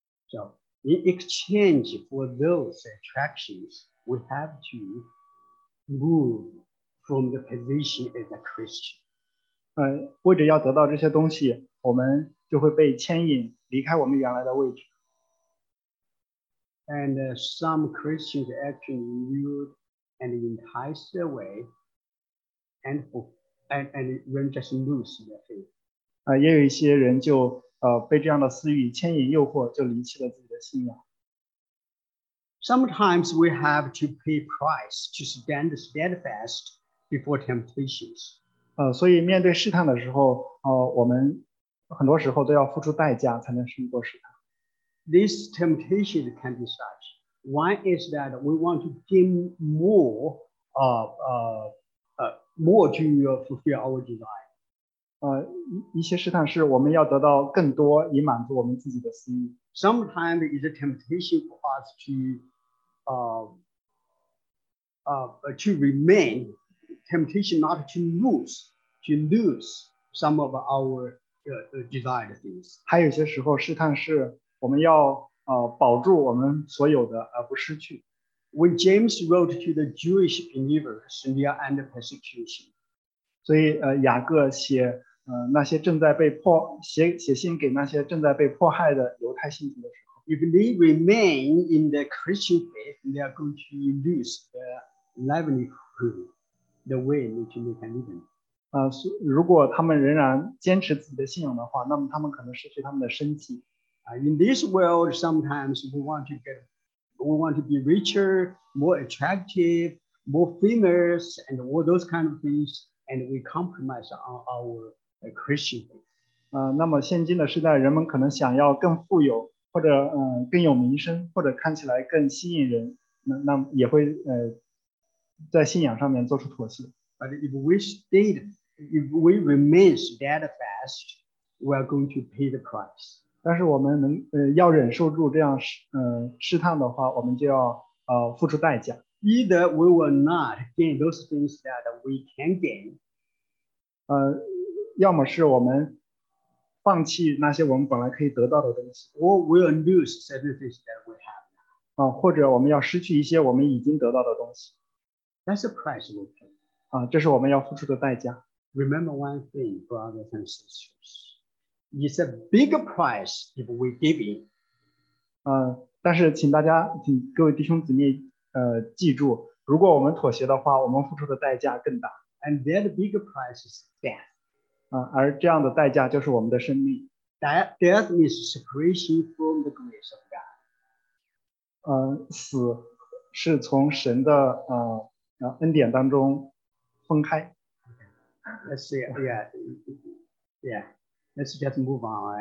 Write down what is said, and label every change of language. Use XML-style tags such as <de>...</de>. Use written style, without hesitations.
<en>So, in exchange for those attractions, we have to move from the position as a Christian.</en> <zh>为着要得到这些东西，我们就会被牵引离开我们原来的位置。</zh> <en>And some Christians actually lure and entice away and when just lose their faith.</en> <zh>也有一些人就被这样的私欲牵引诱惑，就离弃了自己的信仰。</zh> <en>Sometimes we have to pay price to stand steadfast before temptations.</en> <zh>所以面对试探的时候，我们很多时候都要付出代价才能胜过试探。</zh> <en>This temptation can be such. One is that we want to gain more to fulfill our desire.</en> <zh>一些试探是我们要得到更多以满足我们自己的心意。</zh> <en>Sometimes it's a temptation for us to remain. Temptation not to lose some of our desired things.</en> <zh>还有些时候试探是我们要保住我们所有的而不失去。</zh> <en>When James wrote to the Jewish believers near end of persecution,</en> <zh>所以雅各写那些正在被迫写信给那些正在被迫害的犹太信徒的时候。</zh> <en>If they remain in the Christian faith, they are going to lose their livelihood, the way in which they can live.</en> <zh>如果他们仍然坚持自己的信仰的话，那么他们可能失去他们的生计。</zh> <en>In this world, sometimes we want to be richer, more attractive, more famous, and all those kind of things, and we compromise on our Christian faith.</en> <zh>那么现今的时代，人们可能想要更富有，或者更有名声，或者看起来更吸引人，那也会在信仰上面做出妥协。</zh> <en>But if we remain steadfast, we are going to pay the price.</en> <zh>但是我们能要忍受住这样试探的话，我们就要付出代价。</zh> <en>Either we will not gain those things that we can gain.</en> <zh>要么是我们放弃那些我们本来可以得到的东西。</zh> <en>Or we will lose certain things that we have.</en> <zh>或者我们要失去一些我们已经得到的东西。</zh> <en>That's a price we pay.</en> <zh>这是我们要付出的代价。</zh> <en>Remember one thing, brothers and sisters. It's a bigger price if we give in.</en> <zh>但是请大家，请各位弟兄姊妹，记住，如果我们妥协的话，我们付出的代价更大。</zh> <en>And that bigger price is death.</en> <zh>而这样的代价就是我们的生命。</zh> <en>Death is separation from the grace of God.</en> <zh>死是从神的恩典当中分开。</zh> <en>Okay. Let's see. Yeah. Let's just move on.</en>